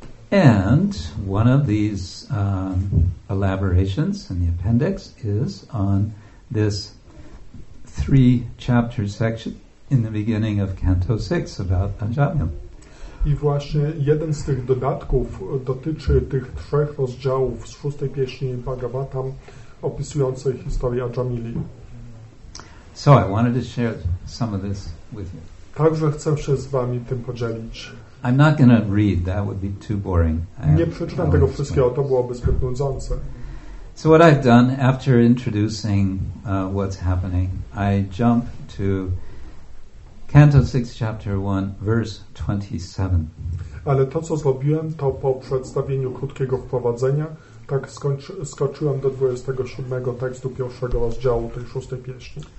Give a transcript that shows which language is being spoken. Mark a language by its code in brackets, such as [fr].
[en] And one of these elaborations in the appendix is on this three chapter section in the beginning of Canto 6 about Ajamyam. [pl] I właśnie jeden z tych dodatków dotyczy tych trzech rozdziałów z szóstej pieśni Bhagavatam opisującej historię Ajamili. [en] So I wanted to share some of this with you. [pl] Także chcę się z wami tym podzielić. [en] I'm not going to read, that would be too boring. [pl] Nie przeczytam tego wszystkiego, to byłoby zbyt nudzące. [en] So what I've done, after introducing what's happening, I jump to Canto 6, chapter 1, verse 27. [pl] Ale to, co zrobiłem, to po przedstawieniu krótkiego wprowadzenia, tak skoczyłem do 27 tekstu pierwszego rozdziału tej szóstej pieśni.